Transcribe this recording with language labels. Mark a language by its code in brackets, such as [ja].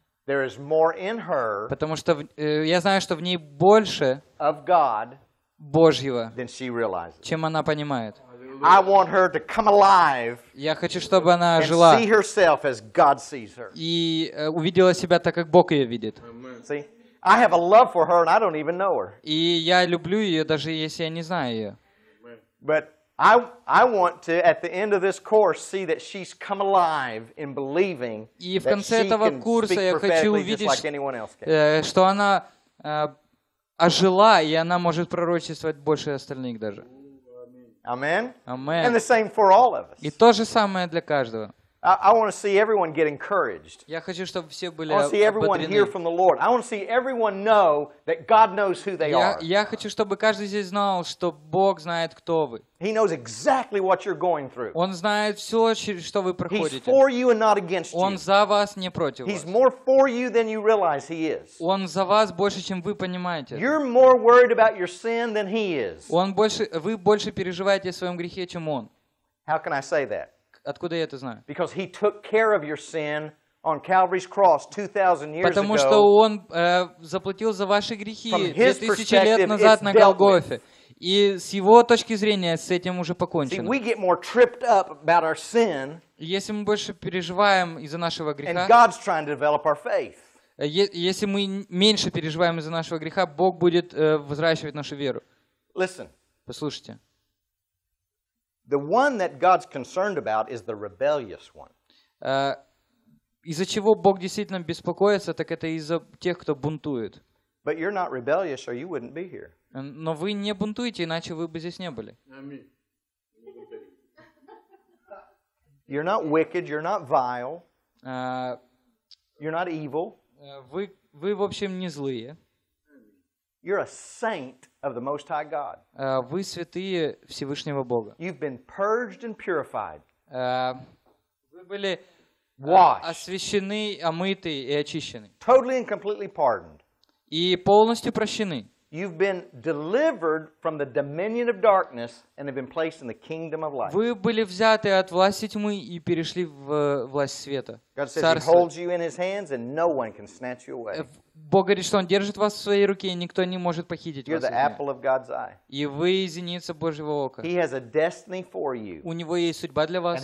[en] There is more in her. [ru] Потому что я знаю, что в ней больше [en] of God [ru] Божьего, [en] than she realizes. [ru] Чем она понимает. [en] I want her to come alive. [ru] Я хочу, чтобы она жила. [en] And see herself as God sees her. [ru] И увидела себя так, как Бог ее видит. [en] See, I have a love for her, and I don't even know her. [ru] И я люблю ее, даже если я не знаю ее. [en] But I want to at the end of this course see that she's come alive in believing that she can speak prophetically just like anyone else can. [ru] Что она ожила и она может пророчествовать больше остальных даже. [en] Amen. Amen. And the same for all of us. [ru] И то же самое для каждого. [en] I want to see everyone get encouraged. [ru] Я хочу, чтобы все были ободрены. [en] I want to see everyone hear from the Lord. I want to see everyone know that God knows who they are. [ru] Я хочу, чтобы каждый здесь знал, что Бог знает, кто вы. [en] He knows exactly what you're going through. [ru] Он знает все, что вы проходите. [en] He's for you and not against you. [ru] Он за вас, не против вас. [en] He's more for you than you realize he is. [ru] Он за вас больше, чем вы понимаете. [en] You're more worried about your sin than he is. [ru] Он больше, вы больше переживаете о своем грехе, чем он. [en] How can I say that? [ru] Откуда я это знаю? [en] Because he took care of your sin on Calvary's cross 2000 years ago. [ru] Потому что он заплатил за ваши грехи 2000 лет назад на Голгофе. И с его точки зрения с этим уже покончено. [en] See, we get more tripped up about our sin. [ru] Если мы больше переживаем из-за нашего греха. [en] And God's trying to develop our faith. [ru] Если мы меньше переживаем из-за нашего греха, Бог будет взращивать нашу веру. [en] Listen. [ru] Послушайте. [en] The one that God's concerned about is the rebellious one. [ru] Из-за чего Бог действительно беспокоится, так это из-за тех, кто бунтует. [en] But you're not rebellious, or you wouldn't be here. [ru] Но вы не бунтуете, иначе вы бы здесь не были. [en] You're not wicked, you're not vile. You're not evil. [ru] Вы в общем не злые. [en] You're a saint of the Most High God. [ru] Вы святые Всевышнего Бога. [en] You've been purged and purified. [ru] Вы были [en] washed. [ru] Освящены, омыты и очищены. [en] Totally and completely pardoned. [ru] И полностью прощены. [en] You've been delivered from the dominion of darkness and have been placed in the kingdom of light. [ru] Вы были взяты от власти тьмы и перешли в власть света. [en] God says he holds you in his hands and no one can snatch you away. [ru] Бог говорит, что Он держит вас в своей руке, и никто не может похитить [en] You're [ru] вас. [en] The apple of God's eye. [ru] И вы зеница Божьего ока. [en] He has a destiny for you. [ru] У него есть судьба для вас.